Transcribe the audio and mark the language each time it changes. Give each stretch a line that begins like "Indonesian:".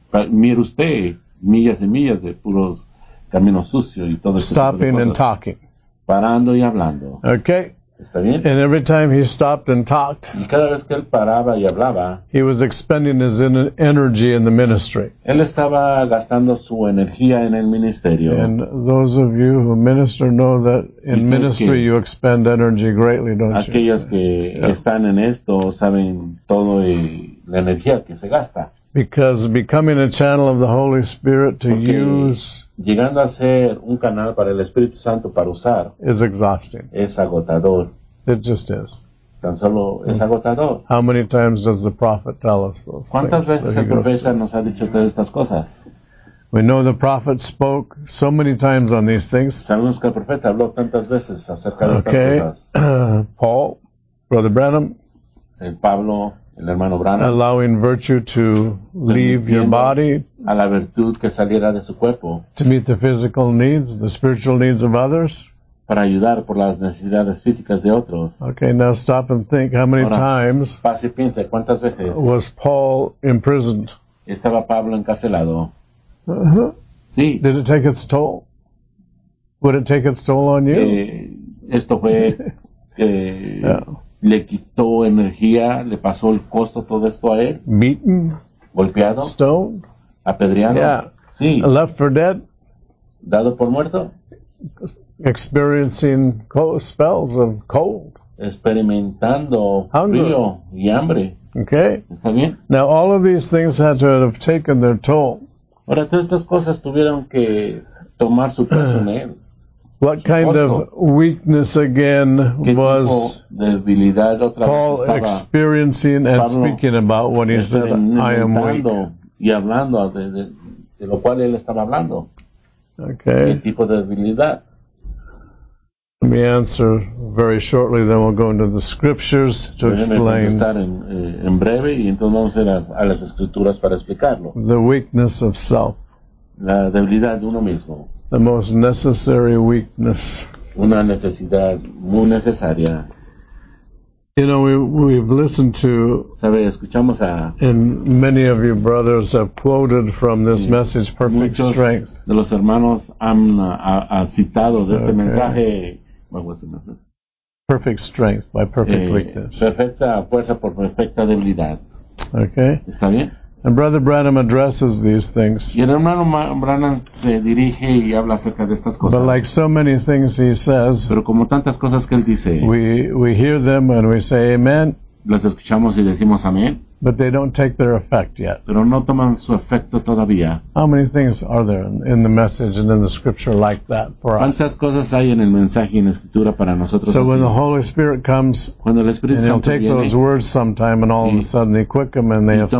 Spanish: Mire usted, millas y millas de puros caminos sucios y todo.
English: Stopping and talking.
Spanish: Parando y hablando.
English: Okay.
Spanish: ¿Está bien?
English: And every time he stopped and talked,
Spanish: y cada vez que él paraba y hablaba,
English: he was expending his energy in the ministry.
Spanish: Él estaba gastando su energía en el ministerio.
English: And those of you who minister know that in ministry you expend energy greatly, don't
Spanish: aquellos
English: you?
Spanish: Aquellos que yeah. están en esto saben todo y la energía que se gasta.
English: Because becoming a channel of the Holy Spirit to
Spanish: Porque
English: use
Spanish: llegando a ser un canal para el Espíritu Santo para usar
English: is exhausting.
Spanish: Es agotador.
English: It just is.
Spanish: tan solo es agotador.
English: How many times does the prophet tell us those
Spanish: ¿Cuántas veces el profeta nos ha dicho todas estas cosas?
English: We know the prophet spoke so many times on these things.
Spanish: Sabemos que el profeta habló tantas veces acerca de estas
English: okay.
Spanish: cosas.
English: Paul, Brother Branham,
Spanish: el Pablo, el hermano Branham,
English: allowing virtue to leave your body,
Spanish: a la virtud que saliera de su cuerpo,
English: to meet the physical needs, the spiritual needs of others,
Spanish: para ayudar por las necesidades físicas de otros.
English: Okay, now stop and think how many times
Spanish: pase, piense, ¿cuántas veces
English: was Paul imprisoned?
Spanish: Estaba Pablo encarcelado. Sí.
English: Did it take its toll? Would it take its toll on you?
Spanish: Esto fue le quitó energía, le pasó el costo todo esto a él.
English: Beaten,
Spanish: golpeado,
English: stoned,
Spanish: apedreado.
English: Yeah.
Spanish: Sí.
English: Left for dead,
Spanish: dado por muerto.
English: Experiencing cold spells of cold,
Spanish: experimentando frío y hambre.
English: Okay.
Spanish: ¿Está bien?
English: Now all of these things had to have taken their toll.
Spanish: Ahora todas estas cosas tuvieron que tomar su peso en él.
English: What kind of weakness again was Paul experiencing and speaking about when he said, "I am weak"?
Spanish: Y hablando de lo cual él estaba hablando.
English: Okay.
Spanish: ¿Qué tipo de debilidad?
English: Let me answer very shortly, then we'll go into the scriptures to explain.
Spanish: En breve y entonces vamos a ir a las escrituras para explicarlo.
English: The weakness of self.
Spanish: La debilidad de uno mismo.
English: The most necessary weakness.
Spanish: Una necesidad muy necesaria.
English: You know, we've listened to,
Spanish: ¿sabe? Escuchamos a,
English: and many of you brothers have quoted from this message, Perfect
Spanish: muchos
English: Strength.
Spanish: De los hermanos han ha citado de este mensaje.
English: What was it? Perfect Strength by Perfect Weakness.
Spanish: Perfecta fuerza por perfecta debilidad.
English: Okay.
Spanish: ¿Está bien?
English: And Brother Branham addresses these things.
Spanish: Y el hermano Branham se dirige y habla acerca de estas cosas.
English: But like so many things he says,
Spanish: pero como tantas cosas que él dice,
English: we hear them and we say amen.
Spanish: Las escuchamos y decimos amén.
English: But they don't take their effect yet.
Spanish: Pero no toman su efecto todavía.
English: How many things are there in the message and in the scripture like that for us?
Spanish: ¿Cuántas cosas hay en el mensaje y en la escritura para nosotros?
English: So when the Holy Spirit comes,
Spanish: cuando el Espíritu Santo viene,
English: take those words sometime and all of a sudden they quicken and they affect you.